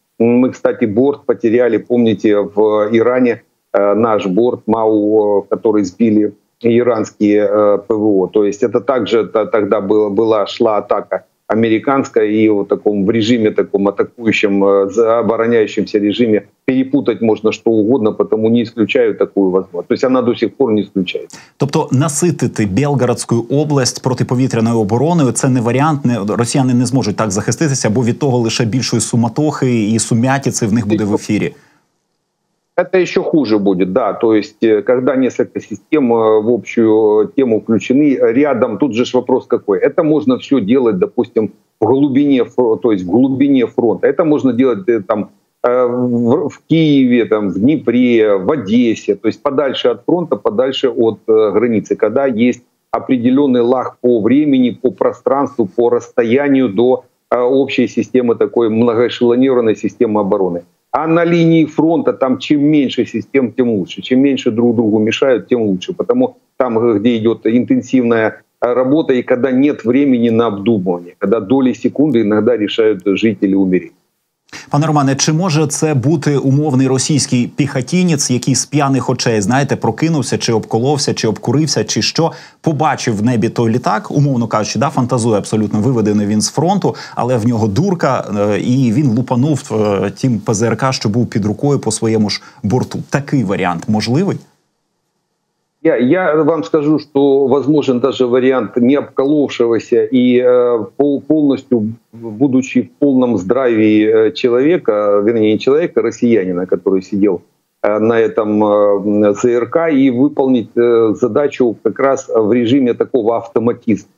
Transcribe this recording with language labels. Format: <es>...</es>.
<ru>Мы, кстати, борт потеряли, помните, в Иране, наш борт МАУ, который сбили иранские ПВО. То есть это также тогда шла атака американская, и вот таком в режиме таком атакующем, обороняющемся режиме перепутать можно что угодно, потому не исключаю такую возможность. То есть она до сих пор не исключается.</ru> <uk>Тобто насытити Белгородскую область протиповітряною обороною – це не варіант, росіяни не зможуть так захиститися, бо від того лише більшої суматохи і сумятіці в них буде в ефірі.</uk> <ru>Это еще хуже будет, да, то есть когда несколько систем в общую тему включены, рядом, тут же вопрос какой, это можно все делать, допустим, в глубине, то есть в глубине фронта, это можно делать там в Киеве, там, в Днепре, в Одессе, то есть подальше от фронта, подальше от границы, когда есть определенный лаг по времени, по пространству, по расстоянию до общей системы такой многоэшелонированной системы обороны. А на линии фронта там чем меньше систем, тем лучше. Чем меньше друг другу мешают, тем лучше. Потому там, где идет интенсивная работа, и когда нет времени на обдумывание, когда доли секунды иногда решают жить или умереть.</ru> <uk>Пане Романе, чи може це бути умовний російський піхотинець, який з п'яних очей, знаєте, прокинувся, чи обколовся, чи обкурився, чи що, побачив в небі той літак, умовно кажучи, да, фантазує абсолютно, виведений він з фронту, але в нього дурка, і він лупанув тим ПЗРК, що був під рукою по своєму ж борту. Такий варіант можливий?</uk> <ru>Я вам скажу, что возможен даже вариант не обколовшегося и полностью будучи в полном здравии человека, вернее, не человека, россиянина, который сидел на этом ЗРК, и выполнить задачу как раз в режиме такого автоматизма.</ru>